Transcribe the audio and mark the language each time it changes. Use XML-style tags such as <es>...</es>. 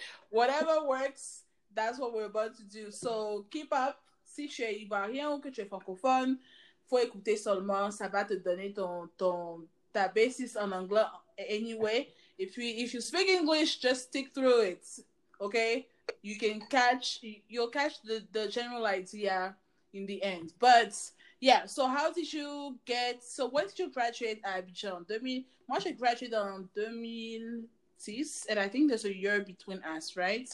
<en>whatever works, that's what we're about to do. So, keep up.</en> <fr>Si tu es ivoirien ou que tu es francophone, faut écouter seulement. Ça va te donner ta basis en anglais anyway.</fr> <en>If you speak English, just stick through it, okay? You'll catch the general idea in the end. But yeah, so when did you graduate at Abidjan?</en> <fr>Moi, j'ai gradué en 2006,</fr> <en>and I think there's a year between us, right?</en>